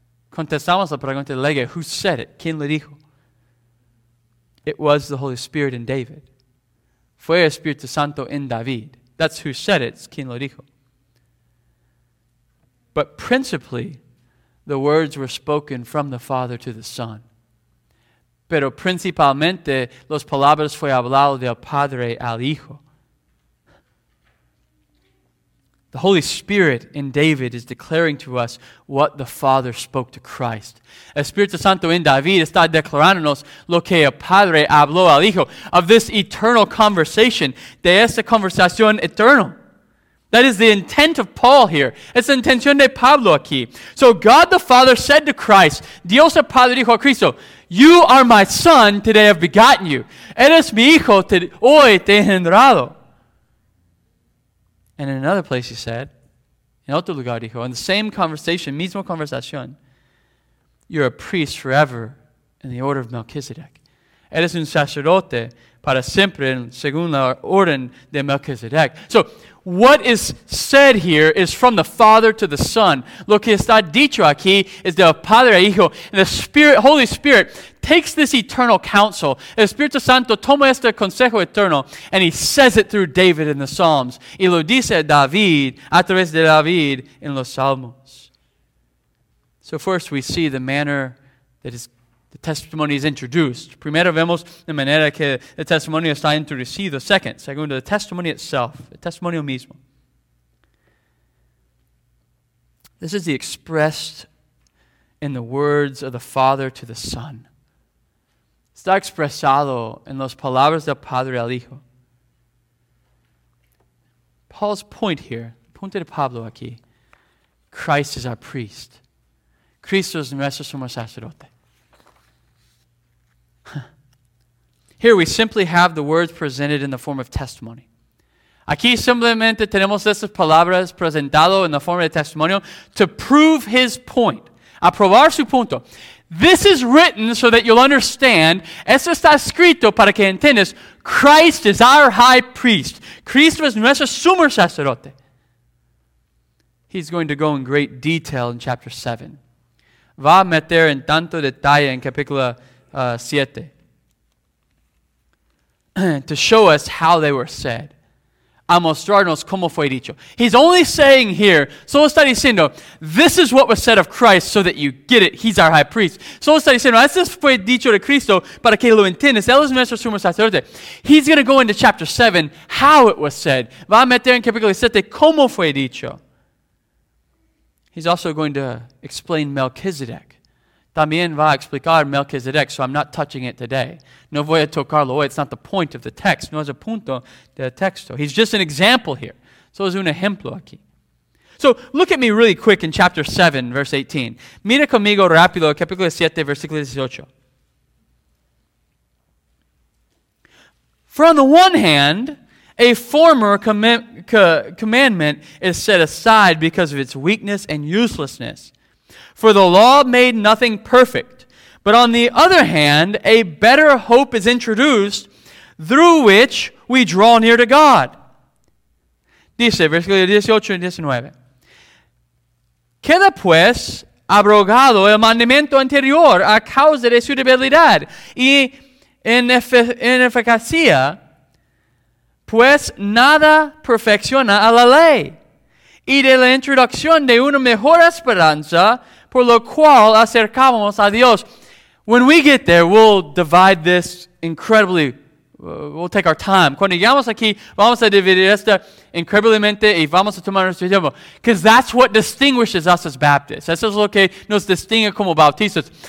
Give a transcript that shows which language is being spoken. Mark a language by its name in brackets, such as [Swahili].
[Spanish] Contestamos la pregunta de Lege, [English] who said it, [Spanish] ¿quién lo dijo? [English] it was the Holy Spirit in David. [Spanish] Fue Espíritu Santo en David. [English] That's who said it. It's [Spanish] quien lo dijo. [English] But principally, the words were spoken from the Father to the Son. [Spanish] Pero principalmente, las palabras fue hablado del Padre al Hijo. [English] The Holy Spirit in David is declaring to us what the Father spoke to Christ. [Spanish] Espíritu Santo en David está declarándonos lo que el Padre habló al Hijo. [English] Of this eternal conversation, [Spanish] de esta conversación eterna. [English] That is the intent of Paul here. [Spanish] Es la intención de Pablo aquí. [English] So God the Father said to Christ, [Spanish] Dios el Padre dijo a Cristo, [English] you are my son, today I've begotten you. [Spanish] Eres mi hijo, hoy te he engendrado. [English] And in another place he said, [Spanish] en otro lugar dijo, [English] in the same conversation, [Spanish] mismo conversación, [English] you're a priest forever in the order of Melchizedek. [Spanish] Eres un sacerdote para siempre según la orden de Melchizedek. [English] So, what is said here is from the Father to the Son. [Spanish] Lo que está dicho aquí es del Padre a Hijo. [English] And the Spirit, Holy Spirit takes this eternal counsel. [Spanish] El Espíritu Santo toma este consejo eterno [English] and he says it through David in the Psalms. [Spanish] Y lo dice David a través de David en los Salmos. [English] So first we see the manner that the testimony is introduced. [Spanish] Primero vemos la manera que el testimonio está introducido. Segundo, [English] the testimony itself, [Spanish] el testimonio mismo. [English] This is the expressed in the words of the Father to the Son. [Spanish] Está expresado en las palabras del Padre al Hijo. [English] Paul's point here, [Spanish] punto de Pablo aquí, [English] Christ is our priest. [Spanish] Cristo es nuestro sumo sacerdote. [English] Here we simply have the words presented in the form of testimony. [Spanish] Aquí simplemente tenemos estas palabras presentadas en la forma de testimonio [English] to prove his point, [Spanish] a probar su punto. [English] This is written so that you'll understand. [Spanish] Esto está escrito para que entiendas. [English] Christ is our high priest. [Spanish] Cristo es nuestro sumo sacerdote. [English] He's going to go in great detail in chapter 7. [Spanish] Va a meter en tanto detalle en capítulo 7. [English] To show us how they were said. [Spanish] A mostrarnos cómo fue dicho. [English] He's only saying here, [Spanish] solo está diciendo, [English] this is what was said of Christ so that you get it. He's our high priest. [Spanish] Solo está diciendo, esto fue dicho de Cristo para que lo entiendas. Él es nuestro sumo sacerdote. [English] He's going to go into chapter 7, how it was said. [Spanish] Va a meter en capítulo 7, cómo fue dicho. [English] He's also going to explain Melchizedek. [Spanish] También va a explicar Melchizedek, [English] so I'm not touching it today. [Spanish] No voy a tocarlo hoy. [English] It's not the point of the text. [Spanish] No es el punto del texto. [English] He's just an example here. So [Spanish] es un ejemplo aquí. [English] So look at me really quick in chapter 7, verse 18. [Spanish] Mira conmigo rápido, capítulo 7, versículo 18. [English] For on the one hand, a former commandment is set aside because of its weakness and uselessness. For the law made nothing perfect. But on the other hand, a better hope is introduced through which we draw near to God. [Spanish] Dice, versículo 18 y 19. Queda pues abrogado el mandamiento anterior a causa de su debilidad y ineficacia, pues nada perfecciona a la ley. Y de la introducción de una mejor esperanza, por lo cual acercamos a Dios. [English] When we get there, we'll divide this incredibly. We'll take our time. [Spanish] Cuando llegamos aquí, vamos a dividir esto increíblemente y vamos a tomar nuestro tiempo. [English] Because that's what distinguishes us as Baptists. [Spanish] Eso es lo que nos distingue como bautistas.